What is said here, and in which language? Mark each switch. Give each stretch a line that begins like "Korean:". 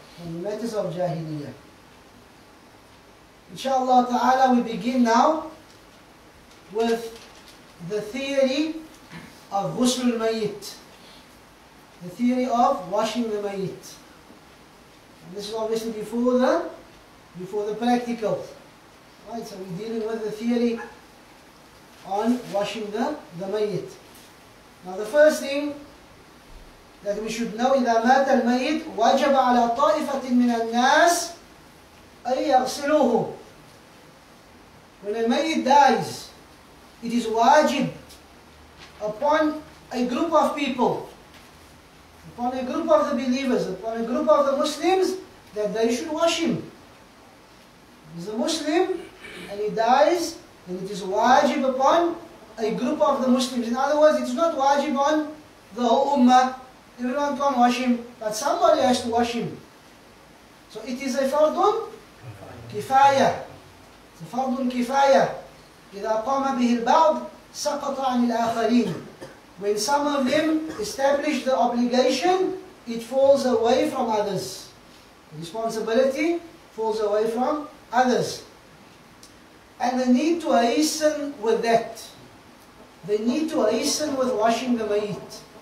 English: From the matters of jahiliyyah. Inshallah ta'ala, we begin now with the theory of ghusl al-mayyit. The theory of washing the mayyit. And this is obviously before the practical. Right, so we're dealing with the theory on washing the mayyit. Now the first thing that we should know,
Arabic: إذا مات المايت وجب على طائفة من الناس أن يغسلوه.
English: When a mayyit dies, it is wajib upon a group of people, upon a group of the believers, upon a group of the Muslims, that they should wash him. If he's a Muslim and he dies, then it is wajib upon a group of the Muslims. In other words, it is not wajib on the whole ummah. Everyone can't wash him, but somebody has to wash him. So it is a fardun kifaya.
Arabic: فرض كفاية إذا قام به البعض سقط عن الآخرين.
English: When some of them establish the obligation, it falls away from others. Responsibility falls away from others. And they need to hasten with that. They need to hasten with washing the mayit.